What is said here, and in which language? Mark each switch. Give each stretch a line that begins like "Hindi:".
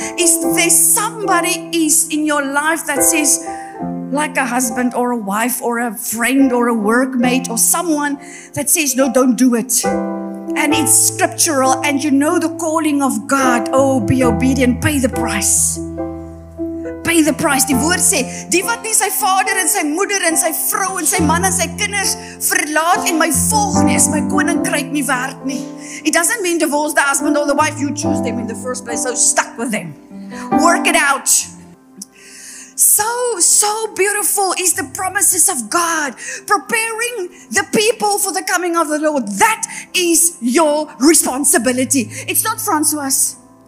English: Is there somebody is in your life that says, like a husband or a wife or a friend or a workmate or someone that says, no, don't do it. And it's scriptural and you know the calling of God. Oh, be obedient, pay the price. Pay the price.
Afrikaans: Die woord sê, die wat nie sy vader en sy moeder en sy vrou en sy man en sy kinders verlaat en my volg nie, is my koninkryk nie werd nie.
English: It doesn't mean divorce the husband or the wife. You choose them in the first place. So stuck with them. Work it out. So beautiful is the promises of God. Preparing the people for the coming of the Lord. That is your responsibility. It's not Francois.